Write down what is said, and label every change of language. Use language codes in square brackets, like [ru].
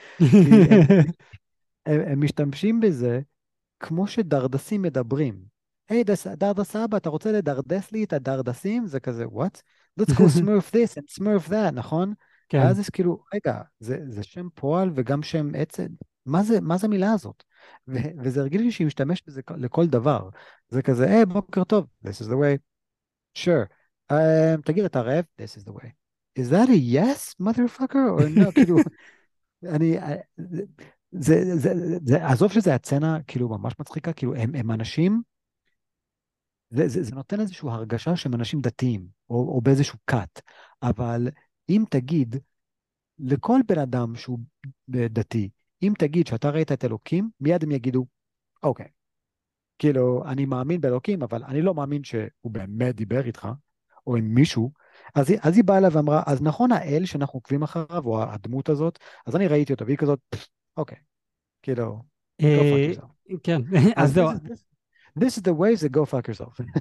[he] כי הם משתמשים בזה כמו שדרדסים מדברים. היי, דרדס אבא, אתה רוצה לדרדס לי את הדרדסים? זה כזה, [en] what? Let's go smurf this and smurf that, [he] נכון? כן. ואז יש כאילו, רגע, זה שם פועל וגם שם עצם. מה זה המילה הזאת? וזה הרגיל לי שהיא משתמשת בזה לכל דבר. זה כזה, היי, בוקר טוב, [en] this is the way. Sure. [he] תגיד, אתה רעב? [en] This is the way. Is that a yes, motherfucker, or no? [he] כאילו, אני... זה, עזוב שזה הצנה, כאילו, ממש מצחיקה, כאילו, הם אנשים, זה נותן איזושהי הרגשה שהם אנשים דתיים, או באיזשהו קאט, אבל אם תגיד, לכל בן אדם שהוא דתי, אם תגיד שאתה ראית את אלוקים, מיד הם יגידו, אוקיי, כאילו, אני מאמין באלוקים, אבל אני לא מאמין שהוא באמת דיבר איתך, או עם מישהו, אז היא באה אליו ואמרה, אז נכון האל שאנחנו עוקבים אחריו, או הדמות הזאת, אז אני ראיתי אותו, והיא כזאת, אוקיי, כאילו, [en] go fuck yourself. [he] כן, אז אז זהו. [en] this is the way to go fuck yourself.